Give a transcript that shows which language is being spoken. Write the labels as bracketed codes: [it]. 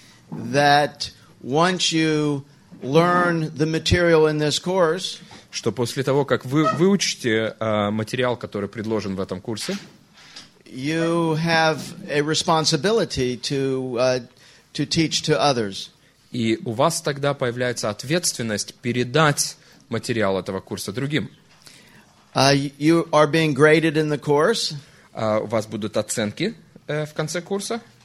[en] That once you learn the material in this course. [ru] Что после того, как вы выучите материал, который предложен в этом курсе. [en] You have a responsibility to teach to others. [ru] И у вас тогда появляется ответственность передать материал этого курса другим. [en] You are being graded in the course. [ru] У вас будут оценки в конце курса.